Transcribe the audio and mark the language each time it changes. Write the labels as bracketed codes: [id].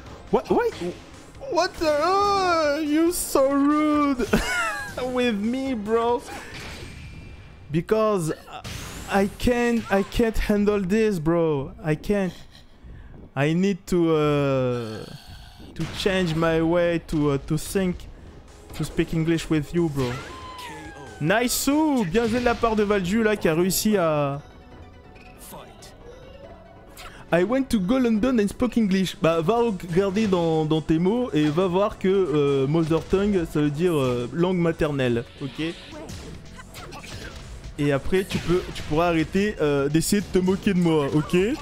[en] What the? You so rude with me, bro? Because I can't handle this, bro. I can't. I need to change my way to think, to speak English with you, bro. [fr] Nice sou, bien joué de la part de Valju là qui a réussi à. [en] I went to go London and spoke English. [fr] Bah, va regarder dans tes mots et va voir que mother tongue, ça veut dire langue maternelle, ok? Et après, tu pourras arrêter d'essayer de te moquer de moi, ok?